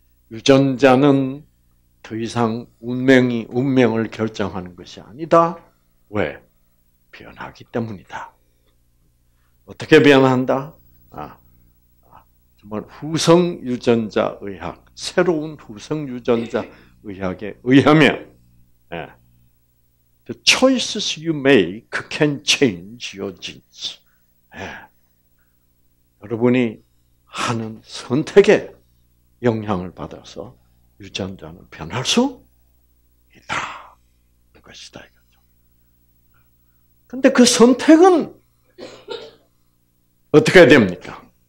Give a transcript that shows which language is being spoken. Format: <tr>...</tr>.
<ko>유전자는 더 이상 운명을 결정하는 것이 아니다. 왜? 변하기 때문이다. 어떻게 변한다? 정말 후성 유전자 의학, 새로운 후성 유전자 의학에 의하면, 예.</ko> <en>The choices you make can change your genes.</en> <ko>예. 여러분이 하는 선택에 영향을 받아서 유전자는 변할 수 있다. 그것이다. 근데 그 선택은 어떻게 해야 됩니까?</ko>